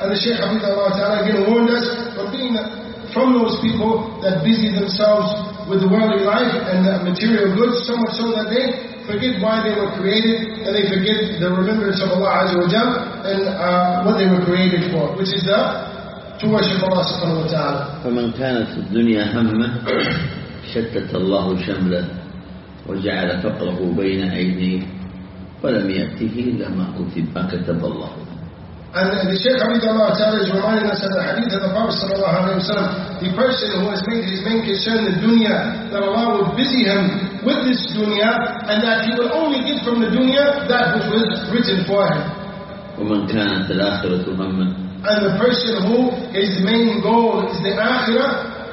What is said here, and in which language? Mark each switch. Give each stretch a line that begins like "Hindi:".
English: And the Shaykh Hafidhahullah ta'ala again warned us from being from those people that busy themselves with the worldly life and the material goods, so much so that they forget why they were created, and they forget the remembrance of Allah Azza wa Jal and what they were created for, which is to worship Allah subhanahu wa ta'ala.
Arabic: فَمَنْ كَانَتُ الدُّنْيَا هَمَّةُ شَتَّتَ اللَّهُ شَمْلَةُ وجعل فقره بين عينيه ولم يأته إلا ما كتب الله.
English: And the Shaykh Abdullah Ta'ala is reminding us of the hadith of the Prophet sallallahu alayhi wa sallam. The person who has made his main concern the dunya, that Allah will busy him with this dunya, and that he will only get from the dunya that which was written for him.
Arabic: ومن كانت الآخرة هما.
English: And the person who his main goal is the akhirah.